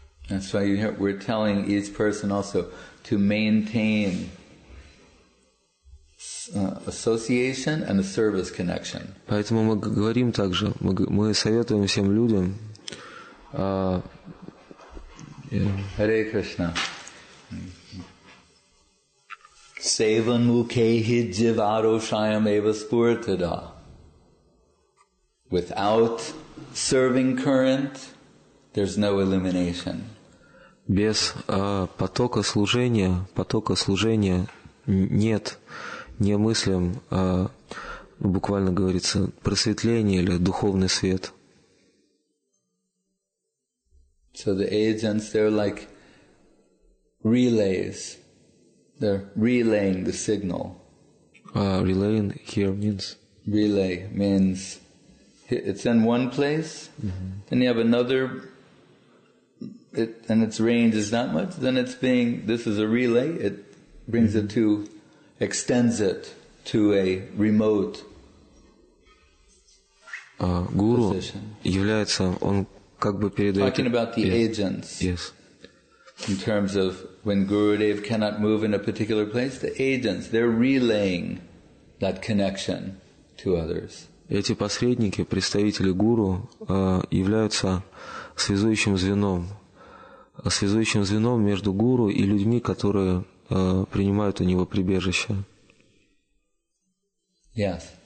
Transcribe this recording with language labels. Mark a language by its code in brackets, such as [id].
[en] That's why we're telling each person also to maintain association and a service connection. [ru] Поэтому мы говорим также, мы советуем всем людям. [sa] Hare Krishna. Sevan mukehi jivaro shayam eva spuratida. [en] Without serving current, there's no illumination. [ru] Без потока служения нет. Не мыслям, а буквально говорится, просветление или духовный свет. [en] So the agents, they're like relays. They're relaying the signal. Relaying here means? Relay means it's in one place, then you have another, and its range is that much, then it's being, this is a relay, it brings it to... extends it to a remote position. [ru] Гуру является, он как бы передает... [en] Talking about the agents. Yes. In terms of when Gurudev cannot move in a particular place, the agents, they're relaying that connection to others. [ru] Эти посредники, представители Гуру, являются связующим звеном между Гуру и людьми, которые... принимают у него прибежище. [en] Yes.